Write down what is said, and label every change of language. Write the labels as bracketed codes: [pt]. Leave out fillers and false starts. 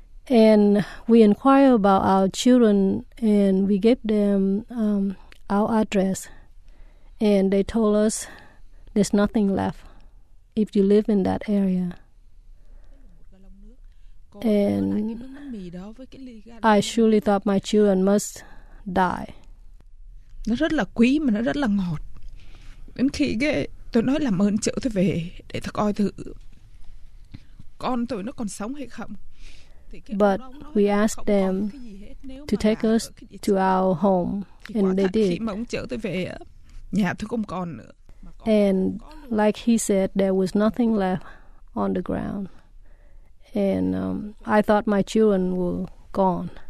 [en] And we inquire about our children, and we gave them our address. And they told us there's nothing left if you live in that area. And I surely thought my children must die. [vi] Nó rất là quý mà nó rất là ngọt. Đến khi cái tôi nói làm ơn chở tôi về để tôi coi thử con tôi nó còn sống hay không. [en] But we asked them to take us to our home, and they did. [vi] Khi mà ông chở tôi về nhà tôi không còn nữa. [en] And like he said, there was nothing left on the ground, and I thought my children were gone.